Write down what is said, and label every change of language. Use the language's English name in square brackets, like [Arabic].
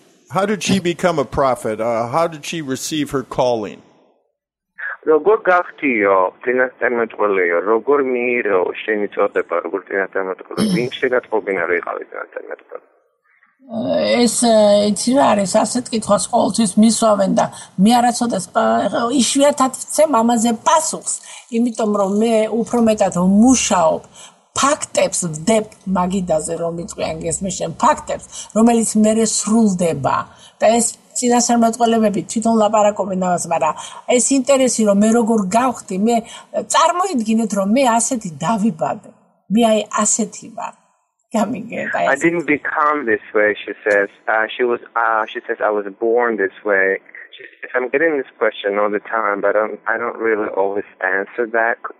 [English] How did she become a prophet? How did she receive her calling? [Georgian] Როგორ გახდიო წინასწარმეტყველიო, როგორ მიიღო შენი წოდება, როგორ წინასწარმეტყველიო, ვინ შეგატყობინა რომ იყავი წინასწარმეტყველი? ეს იცი რა არის, ასეთ კითხვას ყოველთვის მისვავენ და მე არაცოდეს იშვიათად ვცემ ამაზე პასუხს, იმიტომ რომ მე უფრო მეტად ვმუშაობ ფაქტებს ვდებ მაგიდაზე, რომ იწვიან გესმისენ ფაქტებს, რომელიც მერე სრულდება და ეს წინასწარმეტყველებები თვითონ ლაპარაკობენ ამას, მაგრამ ეს ინტერესი რომ მე როგორ გავხდი, მე წარმოიდგინეთ რომ მე ასეთი დავიბადე, მე აი ასეთი ვარ. [English] I didn't become this way, she says. She says I was born this way. She says, I'm getting this question all the time, but I don't really always answer that.